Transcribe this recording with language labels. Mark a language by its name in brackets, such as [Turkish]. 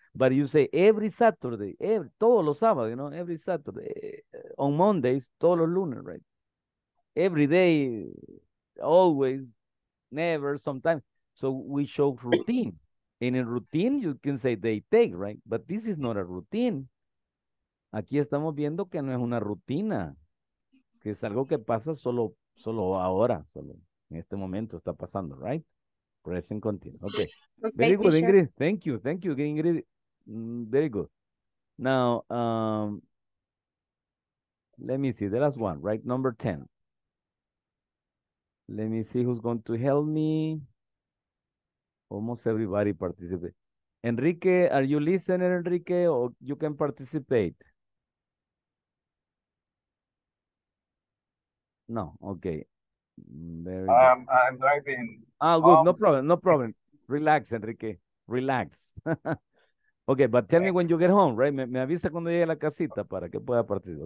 [English] But you say every Saturday, [Spanish] todos los sábados, [English] you know, every Saturday, on Mondays, [Spanish] todos los lunes, [English] right? Every day, always, never, sometimes. So we show routine. And in a routine, you can say they take, right? But this is not a routine. [Spanish] Aquí estamos viendo que no es una rutina, que es algo que pasa solo ahora, solo en este momento está pasando, right? [English] Present continuous. Okay. Very good, Ingrid. Thank you, Ingrid. Very good. Now, let me see. The last one, right? Number 10. Let me see who's going to help me. Almost everybody participate. Enrique, are you listening, Enrique, or you can participate? No, okay. Very good. I'm driving. Ah, good. No problem. Relax, Enrique. Relax. Okay, but tell me when you get home, right? [Spanish] Me avisa cuando llegue a la casita para que pueda participar.